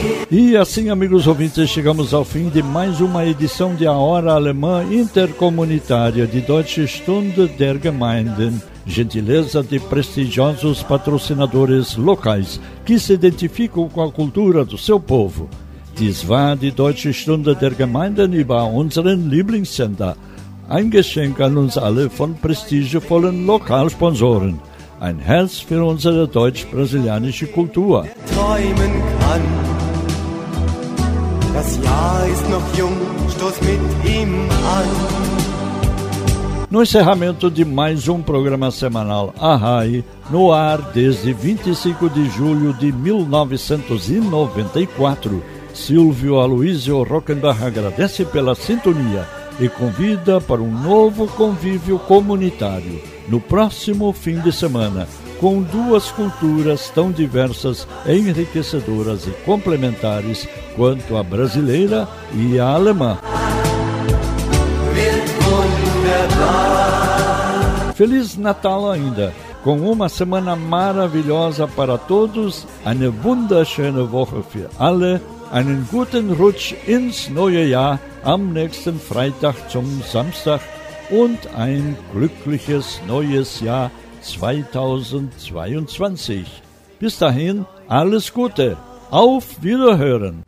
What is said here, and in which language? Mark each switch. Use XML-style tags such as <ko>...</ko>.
<pt>E assim, amigos ouvintes, chegamos ao fim de mais uma edição de A Hora Alemã Intercomunitária de Deutsche Stunde der Gemeinden, gentileza de prestigiosos patrocinadores locais que se identificam com a cultura do seu povo.</pt> <de>Dies war die Deutsche Stunde der Gemeinden über unseren Lieblingssender. Ein Geschenk an uns alle von prestigevollen Lokalsponsoren. Ein Herz für unsere deutsch-brasilianische Kultur. Träumen kann. Das Jahr ist noch jung, stoß mit ihm an.</de> <pt>No encerramento de mais um programa semanal Arrai, no ar desde 25 de julho de 1994, Silvio Aloysio Rockenbach agradece pela sintonia e convida para um novo convívio comunitário no próximo fim de semana, com duas culturas tão diversas, enriquecedoras e complementares quanto a brasileira e a alemã. Feliz Natal ainda, com uma semana maravilhosa para todos.</pt> <de>Eine wunderschöne Woche für alle, einen guten Rutsch ins neue Jahr am nächsten Freitag zum Samstag und ein glückliches neues Jahr 2022. Bis dahin, alles Gute. Auf Wiederhören.</de>